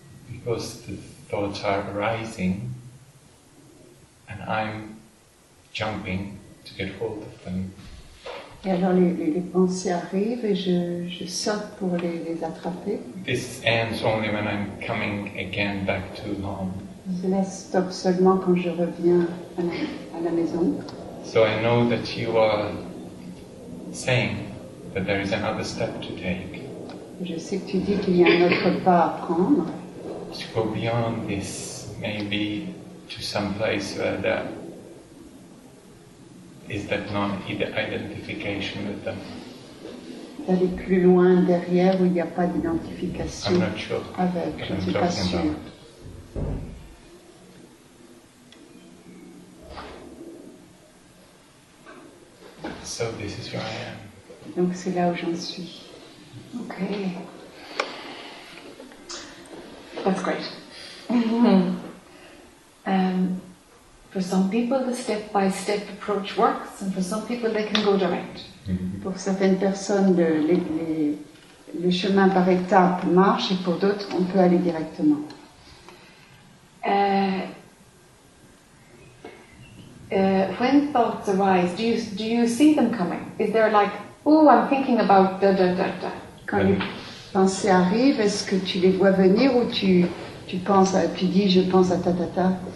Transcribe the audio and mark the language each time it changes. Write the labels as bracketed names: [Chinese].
[English] Because the thoughts are arising and I'm jumping to get hold of them. [French] Et alors les pensées arrivent et je saute pour les attraper. [English] This ends only when I'm coming again back to home. [French] Cela stoppe seulement quand je reviens à la maison. [English] So I know that you are saying that there is another step to take. [French] Je sais que tu dis qu'il y a un autre pas à prendre. [English] To go beyond this, maybe to some place where that is that non-identification with them. [French] D'aller plus loin derrière où il n'y a pas d'identification avec. [English] I'm not sure. [French] Avec. Je ne suis pas sûr. [English] So this is where I am. [French] Donc c'est là où j'en suis. Ok. [English] That's great. For some people, the step-by-step approach works, and for some people, they can go direct. [French] Pour certaines personnes, le chemin par étapes marche, et pour d'autres, on peut aller directement. [English] When thoughts arise, do you see them coming? Is there like, oh, I'm thinking about da da da da? [French] Quand les pensées arrivent, est-ce que tu les vois venir ou tu penses à, tu dis, je pense à ta ta ta?